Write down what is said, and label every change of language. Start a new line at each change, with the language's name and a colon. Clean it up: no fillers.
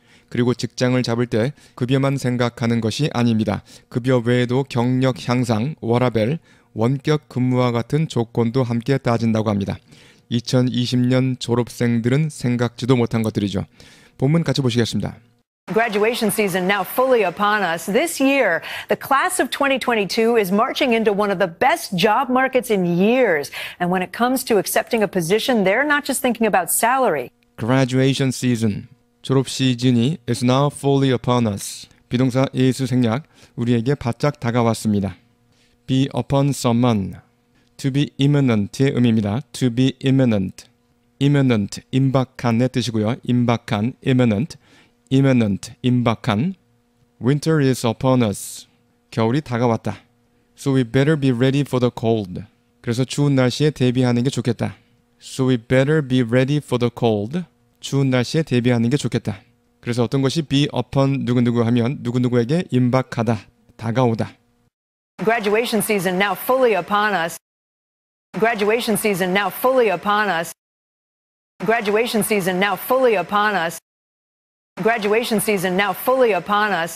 Korean: 그리고 직장을 잡을 때 급여만 생각하는 것이 아닙니다. 급여 외에도 경력 향상, 워라벨, 원격 근무와 같은 조건도 함께 따진다고 합니다. 2020년 졸업생들은 생각지도 못한 것들이죠. 본문 같이 보시겠습니다.
English: Graduation season now fully upon us. This year, the class of 2022 is marching into one of the best job markets in years. And when it comes to accepting a position, they're not just thinking about salary. Graduation season.
Korean: 졸업 시즌이
English: is now fully upon us.
Korean: 비동사 is 생략. 우리에게 바짝 다가왔습니다.
English: Be upon someone. To be imminent의 의미입니다. To be imminent. imminent,
Korean: 임박한의 뜻이고요. 임박한, imminent, imminent, 임박한.
English: Winter is upon us.
Korean: 겨울이 다가왔다.
English: So we better be ready for the cold.
Korean: 그래서 추운 날씨에 대비하는 게 좋겠다.
English: So we better be ready for the cold.
Korean: 추운 날씨에 대비하는 게 좋겠다. 그래서 어떤 것이 be upon 누구누구 하면 누구누구에게 임박하다, 다가오다.
English: Graduation season now fully upon us. Graduation season now fully upon us. Graduation season now fully upon us. Graduation season now fully upon us.